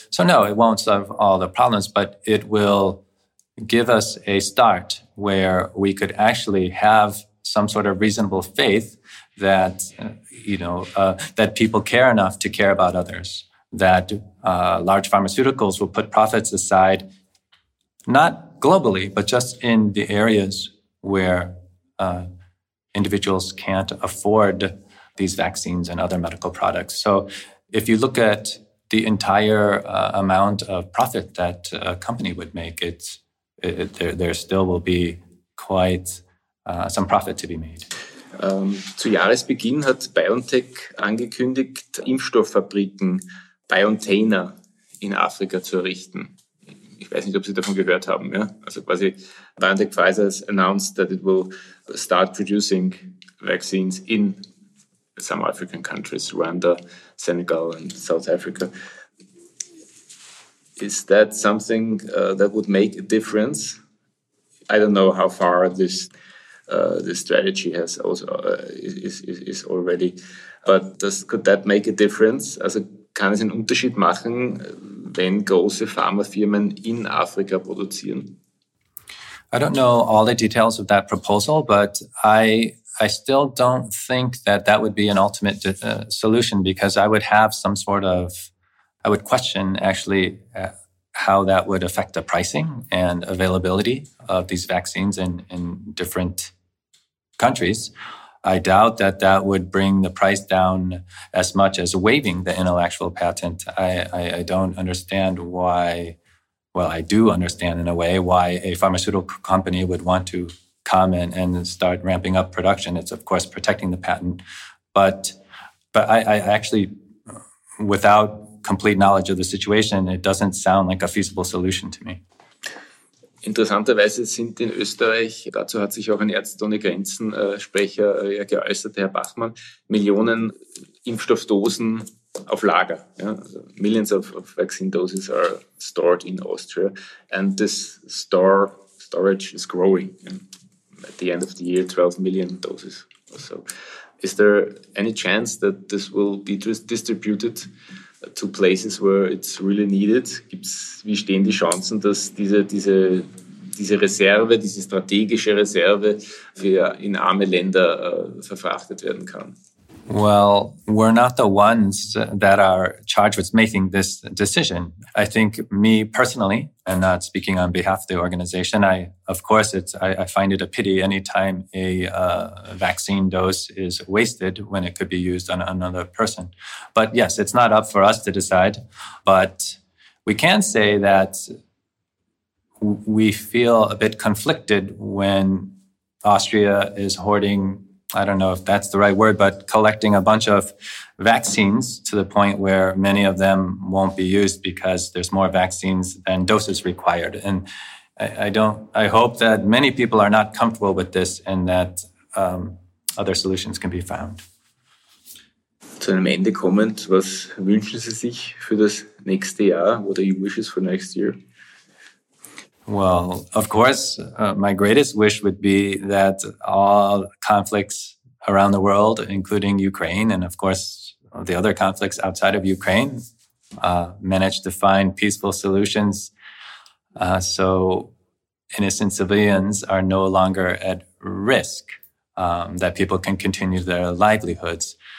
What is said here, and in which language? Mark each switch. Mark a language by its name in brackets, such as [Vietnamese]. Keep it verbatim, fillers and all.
[English] So no, it won't solve all the problems, but it will give us a start where we could actually have some sort of reasonable faith that, you know, uh, that people care enough to care about others, that uh, large pharmaceuticals will put profits aside, not globally, but just in the areas where uh, individuals can't afford these vaccines and other medical products. So if you look at the entire uh, amount of profit that a company would make, it's, it, there, there still will be quite Uh, some profit to be made. [German] Ähm, zu Jahresbeginn hat BioNTech angekündigt, Impfstofffabriken Biontainer in Afrika zu errichten. Ich weiß nicht, ob Sie davon gehört haben. Ja? Also quasi [English] BioNTech Pfizer has announced that it will start producing vaccines in some African countries, Rwanda, Senegal and South Africa. Is that something uh, that would make a difference? I don't know how far this uh, the strategy has also uh, is, is, is already. But does, could that make a difference? [German] Also kann es einen Unterschied machen, wenn große Pharmafirmen in Afrika produzieren? [English] I don't know all the details of that proposal, but I I still don't think that that would be an ultimate uh, solution, because I would have some sort of, I would question actually uh, how that would affect the pricing and availability of these vaccines in, in different countries. I doubt that that would bring the price down as much as waiving the intellectual patent. I, I, I don't understand why, well, I do understand in a way why a pharmaceutical company would want to come and, and start ramping up production. It's, of course, protecting the patent. But but I, I actually, without complete knowledge of the situation, it doesn't sound like a feasible solution to me. [German] Interessanterweise sind in Österreich, dazu hat sich auch ein Ärzte ohne Grenzen-Sprecher äh, äh, geäußert, Herr Bachmann, Millionen Impfstoffdosen auf Lager. [English] Yeah? Also millions of, of vaccine doses are stored in Austria. And this store, storage is growing. Yeah? At the end of the year, twelve million doses or so. Is there any chance that this will be dis- distributed to places where it's really needed? [German] Gibt's, wie stehen die Chancen, dass diese, diese, diese Reserve, diese strategische Reserve für in arme Länder uh, verfrachtet werden kann? [English] Well, we're not the ones that are charged with making this decision. I think me personally, and not speaking on behalf of the organization, I, of course, it's, I, I find it a pity anytime a uh, vaccine dose is wasted when it could be used on another person. But yes, it's not up for us to decide. But we can say that we feel a bit conflicted when Austria is hoarding, I don't know if that's the right word, but collecting a bunch of vaccines to the point where many of them won't be used because there's more vaccines than doses required. And I, I don't, I hope that many people are not comfortable with this and that um, other solutions can be found. [German] Zu einem Ende kommend, was wünschen Sie sich für das nächste Jahr? [English] What are your wishes for next year? Well, of course, uh, my greatest wish would be that all conflicts around the world, including Ukraine and, of course, the other conflicts outside of Ukraine, uh, manage to find peaceful solutions uh, so innocent civilians are no longer at risk, um, that people can continue their livelihoods.